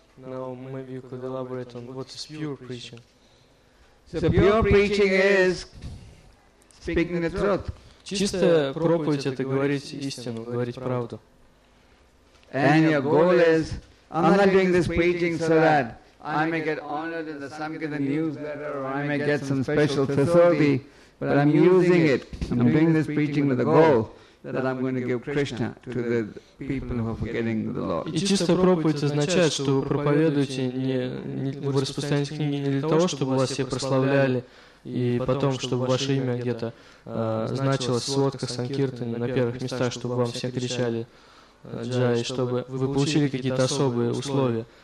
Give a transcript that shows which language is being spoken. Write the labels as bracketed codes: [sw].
[en] Now maybe you could elaborate on what is pure preaching. So pure preaching is speaking the truth. Чистая проповедь — это говорить истину, говорить правду. And your goal is, I'm not doing this preaching so that I may get honored in the Sankirtan newsletter, or I may get some special facility, but I'm using it. I'm doing this preaching with a goal that I'm going to give Krishna to the people who are forgetting the Lord. [ru] И чистая проповедь означает, что вы проповедуете не вы распространяете книги не для того, чтобы вас все прославляли, и потом, чтобы ваше имя где-то значилось в сводках Санкиртаны на первых местах, чтобы вам все кричали джай, чтобы вы получили какие-то особые условия.